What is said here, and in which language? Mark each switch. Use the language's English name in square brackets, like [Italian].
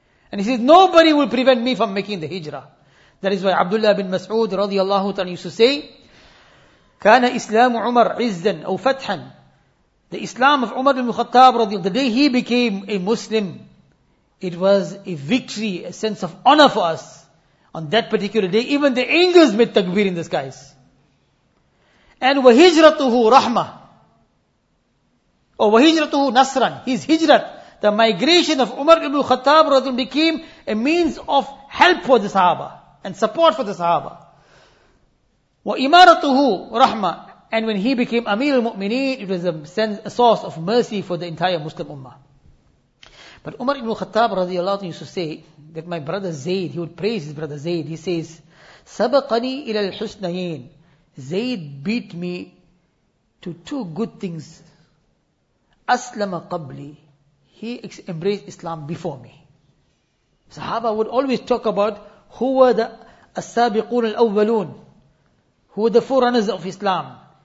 [English] And he says, nobody will prevent me from making the hijrah. That is why Abdullah bin Mas'ud radiallahu ta'ala used to say, [Arabic] كَانَ إِسْلَامُ عُمَرْ عِزًّا أَوْ فَتْحًا. [English] The Islam of Umar ibn Khattab radiallahu ta'ala, the day he became a Muslim, it was a victory, a sense of honor for us. On that particular day, even the angels made takbir in the skies. [Arabic] And وَهِجْرَتُهُ رَحْمَةً or وَهِجْرَتُهُ نَصْرًا. [English] His hijrat, the migration of Umar ibn Khattab radiallahu ta'ala, became a means of help for the Sahaba and support for the Sahaba. [Arabic] وَإِمَارَتُهُ رَحْمَةً. [English] And when he became Amir al-Mu'mineen, it was a source of mercy for the entire Muslim Ummah. But Umar ibn Khattab radiallahu ta'ala used to say that my brother Zayd, he would praise his brother Zayd. He says, [Arabic] سَبَقَنِي إِلَى الْحُسْنَيَيْنِ. [English] Zayd beat me to two good things. [Arabic] أَسْلَمَ قَبْلِي. [English] He embraced Islam before me. Sahaba would always talk about who were the as-sabiquna al-awwalun, who were the forerunners of Islam.